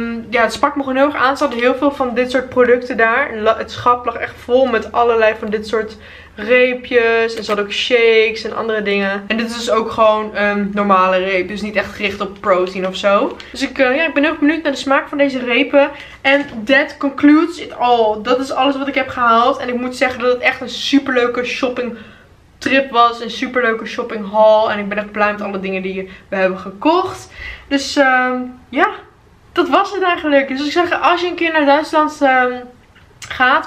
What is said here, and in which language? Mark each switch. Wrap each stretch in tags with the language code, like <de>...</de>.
<nl>Het sprak me gewoon heel erg aan. Ze hadden heel veel van dit soort producten daar. Het schap lag echt vol met allerlei van dit soort reepjes. En ze hadden ook shakes en andere dingen. En dit is dus ook gewoon een normale reep. Dus niet echt gericht op protein of zo. Dus ik ben heel benieuwd naar de smaak van deze repen.</nl> <en>En that concludes it all.</en> <nl>Dat is alles wat ik heb gehaald. En ik moet zeggen dat het echt een superleuke shopping trip was. Een superleuke shopping haul. En ik ben echt blij met alle dingen die we hebben gekocht. Dus dat was het eigenlijk. Dus ik zeg, als je een keer naar Duitsland gaat.</nl>